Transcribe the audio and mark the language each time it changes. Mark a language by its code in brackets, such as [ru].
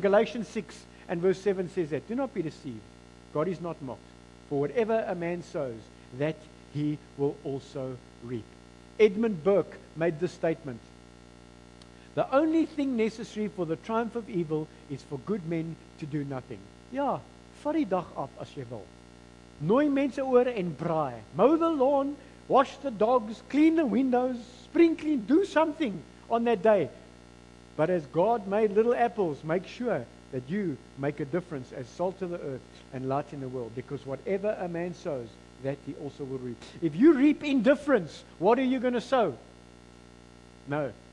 [en] Galatians 6 and verse 7 says that. Do not be deceived. God is not mocked. For whatever a man sows, that he will also reap. Edmund Burke made this statement. The only thing necessary for the triumph of evil is for good men to do nothing. [af] Ja, vat die dag af as jy wil. Nooi mense oor en braai. [en] Mow the lawn, wash the dogs, clean the windows, spring clean, do something on that day. But as God made little apples, make sure that you make a difference as salt of the earth and light in the world. Because whatever a man sows, that he also will reap. If you reap indifference, what are you going to sow? No.